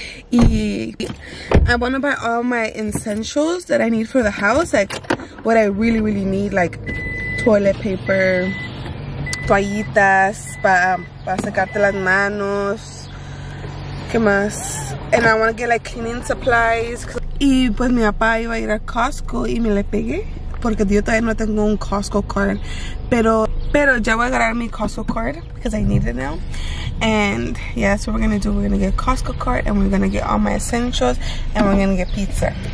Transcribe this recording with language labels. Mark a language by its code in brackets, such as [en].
[en] Y I want to buy all my essentials that I need for the house, like what I really really need, like toilet paper, [es] toallitas para secarte las manos, qué más. [en] And I want to get like cleaning supplies. [es] Y pues mi papá iba a ir a Costco y me le pegué porque yo todavía no tengo un Costco card, pero ya voy a agarrar mi Costco card [en] because I need it now. And yeah, that's what we're gonna do. We're gonna get Costco card and we're gonna get all my essentials and we're gonna get pizza.